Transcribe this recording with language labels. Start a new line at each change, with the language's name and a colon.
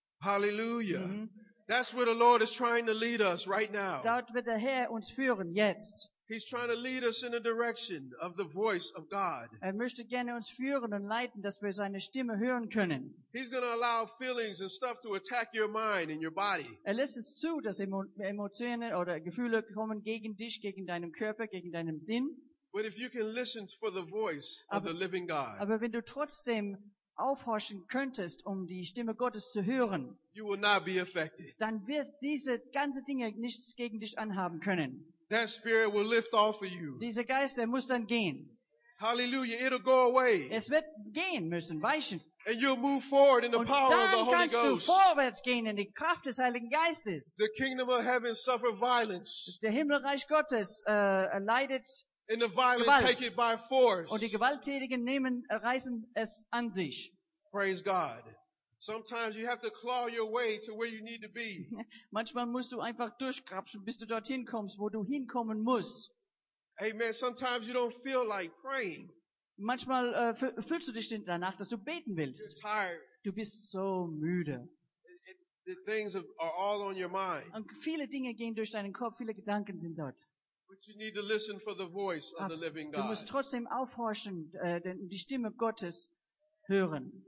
English: Hallelujah. Mm-hmm. That's where the Lord is trying to lead us right now.
German: Dort wird der Herr uns führen jetzt.
English: He's trying to lead us in the direction of the voice of God.
German: Er möchte gerne uns führen und leiten, dass wir seine Stimme hören können.
English: He's going to allow feelings and stuff to attack your mind and your body.
German: Er lässt es zu, dass Emotionen oder Gefühle kommen gegen dich, gegen deinen Körper, gegen deinen Sinn.
English: But if you can listen for the voice of the living God.
German: Aber wenn du trotzdem aufhorchen könntest, um die Stimme Gottes zu hören,
English: you will not be affected.
German: Dann wirst diese ganzen Dinge nichts gegen dich anhaben können.
English: That spirit will lift off of you.
German: Dieser Geist, der muss dann gehen.
English: Hallelujah, it'll go away.
German: Es wird gehen müssen, weichen.
English: And you'll move forward in the
German: und
English: power of the Holy Ghost.
German: Und dann kannst du vorwärts gehen in die Kraft des Heiligen Geistes.
English: The kingdom of heaven suffer violence.
German: Der Himmelreich Gottes leidet
English: and the violent
German: Gewalt.
English: Take it by force.
German: Und die Gewalttätigen nehmen, reißen es an sich.
English: Praise God. Sometimes you have to claw your way to where you need to be.
German: Manchmal musst du einfach durchkrapschen, bis du dorthin kommst, wo du hinkommen musst.
English: Amen. Sometimes you don't feel like praying.
German: Manchmal fühlst du dich nicht danach, dass du beten willst.
English: You're tired.
German: Du bist so müde.
English: The things are all on your mind.
German: Und viele Dinge gehen durch deinen Kopf, viele Gedanken sind dort.
English: But you need to listen for the voice of the living God.
German: Du musst trotzdem aufhorchen, die Stimme Gottes hören.